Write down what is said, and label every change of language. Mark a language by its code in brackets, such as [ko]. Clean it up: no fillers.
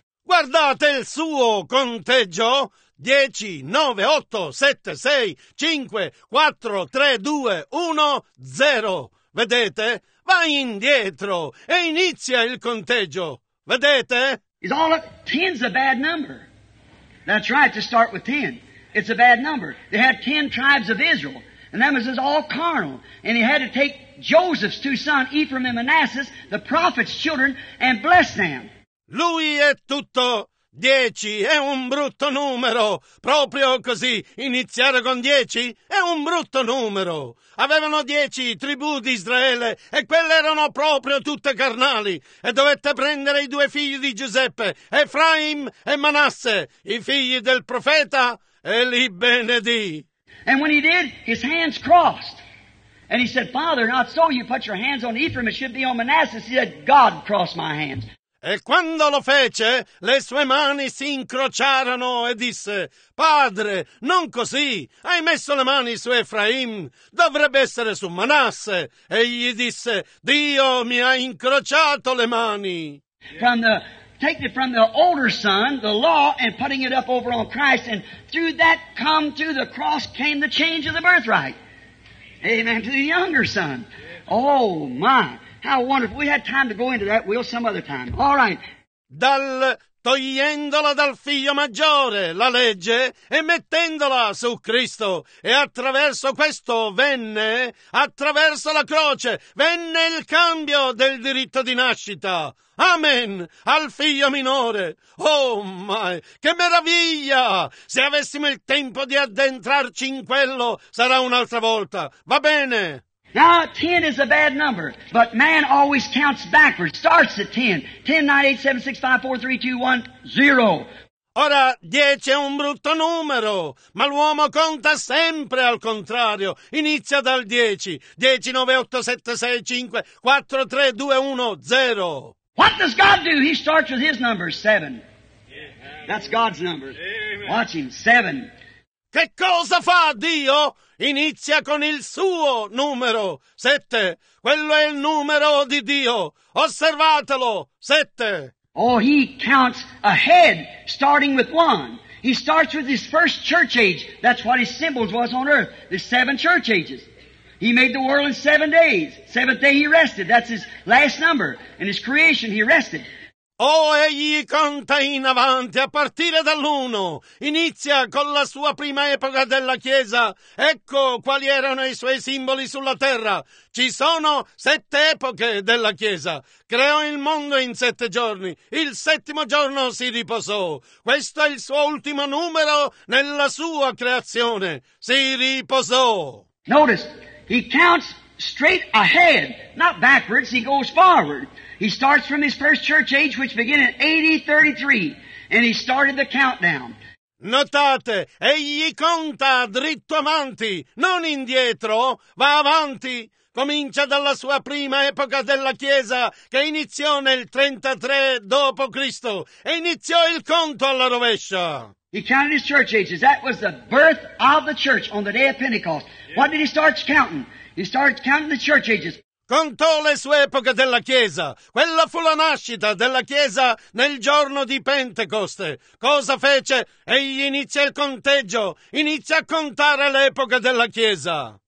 [it] Guardate il suo conteggio. 10, 9, 8, 7, 6, 5, 4, 3, 2, 1, 0. Vedete? Va indietro e inizia il conteggio. Vedete? [en] It's all up. 10's a bad number. That's right, to start with 10. It's a bad number. They had 10 tribes of Israel, and that was all carnal. And he had to take Joseph's two sons, Ephraim and Manasseh, the prophet's children, and bless them. [it] Lui è tutto. 10 è un brutto numero, proprio così, iniziare con 10 è un brutto numero. Avevano 10 tribù di Israele e quelle erano proprio tutte carnali. E dovette prendere i due figli di Giuseppe, Efraim e Manasse, i figli del profeta, e li benedì. [en] And when he did, his hands crossed. And he said, Father, not so. You put your hands on Ephraim, it should be on Manasseh. He said, God crossed my hands. [it] E quando lo fece, le sue mani si incrociarono e disse, Padre, non così, hai messo le mani su Efraim, dovrebbe essere su Manasse. E gli disse, Dio mi ha incrociato le mani. [en] Taking it from the older son, the law, and putting it up over on Christ, and through that come to the cross came the change of the birthright. Amen. To the younger son. Oh my. How wonderful. We had time to go into that. We'll some other time. All right. [it] Togliendola dal figlio maggiore, la legge, e mettendola su Cristo. E attraverso questo venne, attraverso la croce, venne il cambio del diritto di nascita. Amen! Al figlio minore. [en] Oh, my! [it] Che meraviglia! Se avessimo il tempo di addentrarci in quello, sarà un'altra volta. Va bene! [en] Now, 10 is a bad number, but man always counts backwards. Starts at 10. 10, 9, 8, 7, 6, 5, 4, 3, 2, 1, 0. [it] Ora, 10 è un brutto numero, ma l'uomo conta sempre al contrario. Inizia dal 10. 10, 9, 8, 7, 6, 5, 4, 3, 2, 1, 0. [en] What does God do? He starts with his number, 7. That's God's number. Watch him, 7. [it] Che cosa fa Dio? Inizia con il suo numero, 7. Quello è il numero di Dio. Osservatelo, 7. [en] Oh, he counts ahead, starting with 1. He starts with his first church age. That's what his symbols was on earth, the 7 church ages. He made the world in 7 days. 7th day he rested. That's his last number. In his creation he rested. [it] Oh, egli conta in avanti a partire dall'uno. Inizia con la sua prima epoca della Chiesa. Ecco quali erano i suoi simboli sulla terra. Ci sono 7 epoche della Chiesa. Creò il mondo in 7 giorni. Il 7° giorno si riposò. Questo è il suo ultimo numero nella sua creazione. Si riposò. [en] Notice, he counts straight ahead, not backwards, he goes forward. He starts from his first church age, which began in AD 33, and he started the countdown. [it] Notate, egli conta dritto avanti, non indietro, va avanti. Comincia dalla sua prima epoca della Chiesa, che iniziò nel 33 dopo Cristo, e iniziò il conto alla rovescia. [en] He counted his church ages. That was the birth of the church on the day of Pentecost. Yeah. What did he start counting? He started counting the church ages. [it] Contò le sue epoche della Chiesa. Quella fu la nascita della Chiesa nel giorno di Pentecoste. Cosa fece? Egli inizia il conteggio. Inizia a contare le epoche della Chiesa.